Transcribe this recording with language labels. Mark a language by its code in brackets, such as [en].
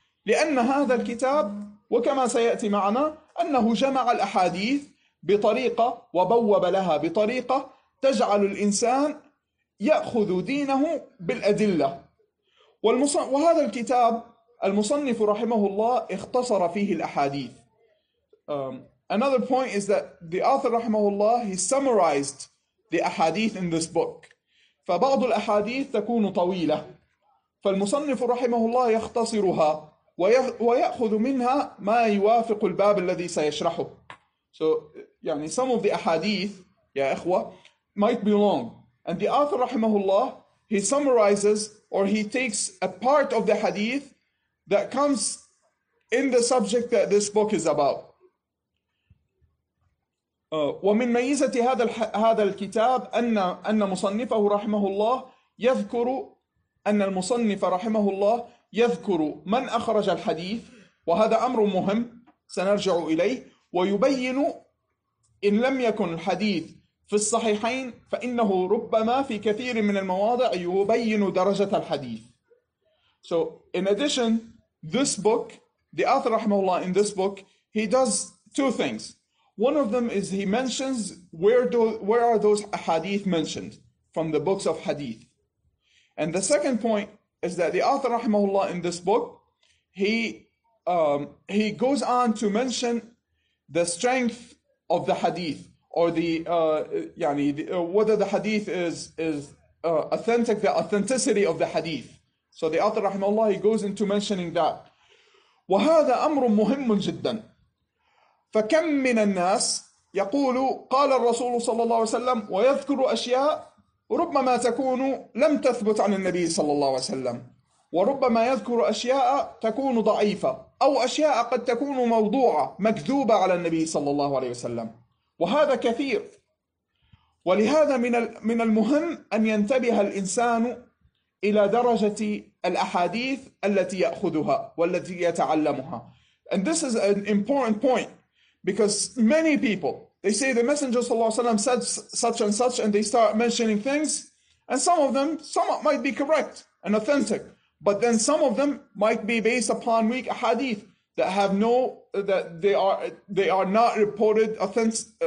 [ar] لأن هذا الكتاب وكما سيأتي معنا أنه جمع الأحاديث بطريقة وبوب لها بطريقة تجعل الإنسان يأخذ دينه بالأدلة. وهذا الكتاب المصنف رحمه الله اختصر فيه الأحاديث. [en] Another point is that the author رحمه الله, he summarized the أحاديث in this book. [ar] فبعض الأحاديث تكون طويلة, فالمصنف رحمه الله يختصرها ويأخذ منها ما يوافق الباب الذي سيشرحه. [en] So, يعني some of the ahadith, [ar] يا إخوة, [en] might be long. And the author, رحمه الله, he summarizes or he takes a part of the hadith that comes in the subject that this book is about. [ar] ومن ميزة هذا الكتاب أن مصنفه رحمه الله يذكر أن المصنف رحمه الله يذكر من أخرج الحديث وهذا أمر مهم سنرجع إليه ويبين إن لم يكن الحديث في الصحيحين فإنه ربما في كثير من المواضع يبين درجة الحديث. [en] So in addition, this book, the author رحمه الله in this book, he does two things. One of them is he mentions where are those hadith mentioned from the books of hadith. And the second point is that the author rahimahullah in this book, he goes on to mention the strength of the hadith or the whether the hadith is authentic, the authenticity of the hadith. So the author rahimahullah, he goes into mentioning that. [ar] وَهَذَا أَمْرٌ مُهِمٌ جِدًّا فَكَمْ مِنَ النَّاسِ يَقُولُ قَالَ الرَّسُولُ صَلَّى اللَّهُ وَسَلَّمُ وَيَذْكُرُ أَشْيَاءَ ربما تكون لم تثبت عن النبي صلى الله عليه وسلم وربما يذكر أشياء تكون ضعيفة أو أشياء قد تكون موضوعة مكذوبة على النبي صلى الله عليه وسلم وهذا كثير ولهذا من المهم أن ينتبه الإنسان إلى درجة الأحاديث التي يأخذها والتي يتعلمها. [en] And this is an important point because many people, they say the Messenger sallallahu alaihi wasallam said such and such, and they start mentioning things, and some of them, some might be correct and authentic, but then some of them might be based upon weak hadith that have no, that they are not reported authentic,